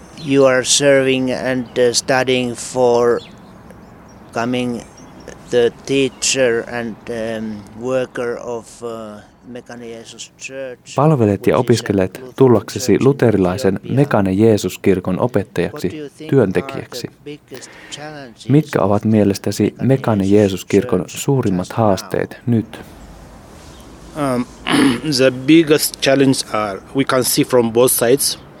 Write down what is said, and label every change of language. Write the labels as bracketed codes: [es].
[en] You are serving and studying for coming the teacher and worker of Mekane Jeesus Church. [fi] Palvelet ja opiskelet tullaksesi luterilaisen Mekane Jeesus -kirkon opettajaksi, työntekijäksi. Mitkä ovat mielestäsi Mekane Jeesus -kirkon suurimmat haasteet nyt? [en] The biggest challenge are we can see from both sides.